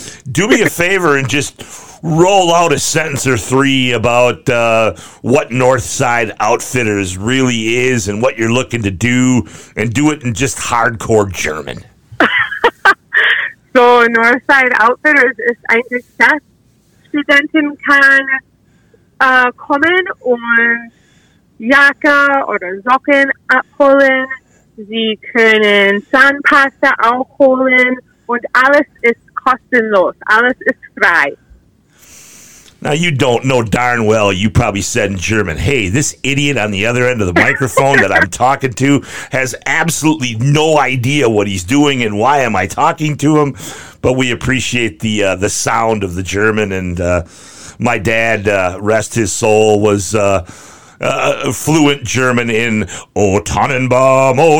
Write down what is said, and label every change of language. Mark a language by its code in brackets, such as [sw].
[en] Do me a favor and just roll out a sentence or three about what Northside Outfitters really is and what you're looking to do, and do it in just hardcore German. [de] So Northside Outfitters ist ein Geschäft. Studenten kann kommen und Jacke oder Socken abholen. Sie können Zahnpasta auch holen und alles ist kostenlos. Alles ist frei. [en] Now, you don't know darn well, you probably said in German, hey, this idiot on the other end of the microphone that I'm talking to has absolutely no idea what he's doing and why am I talking to him. But we appreciate the sound of the German. And my dad, rest his soul, was fluent German in Oh Tannenbaum.